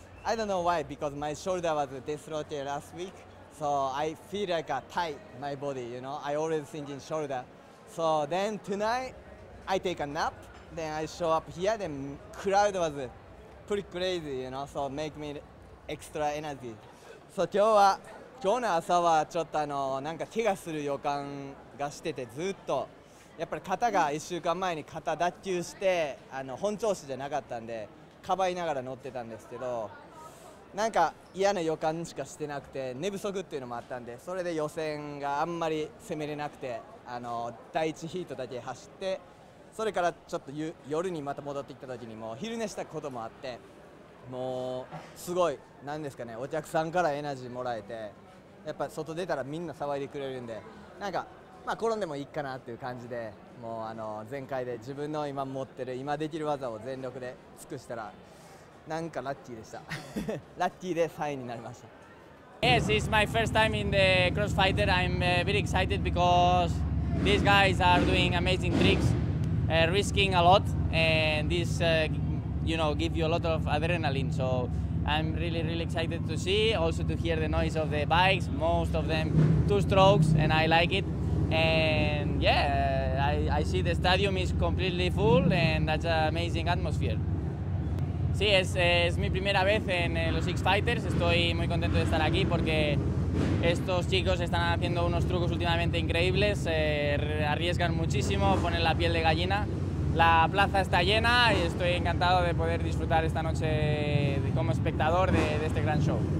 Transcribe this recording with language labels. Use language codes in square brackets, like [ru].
[en] I don't know why, because my shoulder was dislocated last week, so I feel like tight my body, you know. I always think in shoulder. So then tonight, I take a nap, then I show up here, then crowd was pretty crazy, you know, so make me extra energy. So today, today, [ja] あの、第1ヒートだけ走って、それからちょっと夜にまた戻ってきた時にもう昼寝したこともあって、もうすごい、何ですかね、お客さんからエナジーもらえて、やっぱ外出たらみんな騒いでくれるんで、なんか、まあ転んでもいいかなっていう感じで、もうあの、全開で自分の今持ってる今できる技を全力で尽くしたら、なんかラッキーでした。ラッキーで3位になりました。 [en] Yes, it's my first time in the cross fighter. I'm a very excited because these guys are doing amazing tricks, risking a lot, and this, you know, give you a lot of adrenaline. So I'm really, really excited to see, also to hear the noise of the bikes, most of them two strokes, and I like it. And yeah, I see the stadium is completely full, and that's an amazing atmosphere. [es] Sí, es mi primera vez en los X-Fighters. Estoy muy contento de estar aquí porque estos chicos están haciendo unos trucos últimamente increíbles. Arriesgan muchísimo, ponen la piel de gallina. La plaza está llena y estoy encantado de poder disfrutar esta noche como espectador de este gran show.